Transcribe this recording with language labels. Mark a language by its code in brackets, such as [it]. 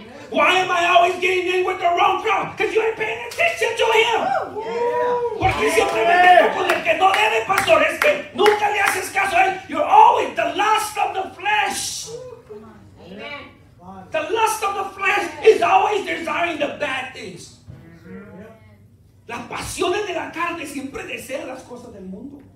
[en] Why am I always getting in with the wrong crowd? Because you ain't paying attention to him. Yeah. [es] Porque siempre me meto con el que no debe, pastor. Es que nunca le haces caso a él. [en] You're always the lust of the flesh. Amen. The lust of the flesh is always desiring the bad things. Amen. [es] Las pasiones de la carne siempre desean las cosas del mundo.